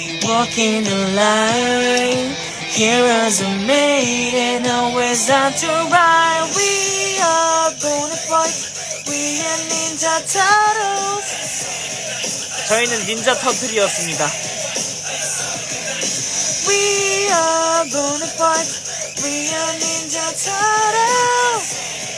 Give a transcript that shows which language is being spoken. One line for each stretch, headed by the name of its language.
English: Walk in the line Heroes are made and always on to ride We are gonna fight We are Ninja Turtles
Korean: 저희는 닌자 터틀이었습니다.
English: We are gonna fight We are Ninja Turtles